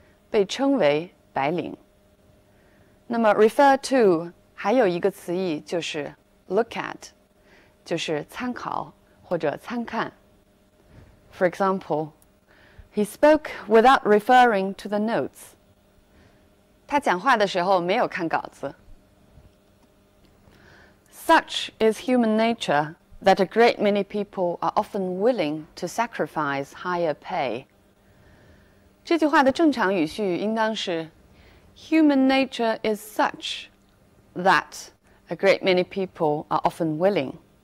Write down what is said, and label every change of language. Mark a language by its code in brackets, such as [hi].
[zh] 被称为白领。那么 refer to 还有一个词义就是 look at, 就是参考或者参看。 [en] For example, he spoke without referring to the notes. [zh] 他讲话的时候没有看稿子。 [en] Such is human nature that a great many people are often willing to sacrifice higher pay. [zh] 这句话的正常语序应当是 [en] Human nature is such that a great many people are often willing.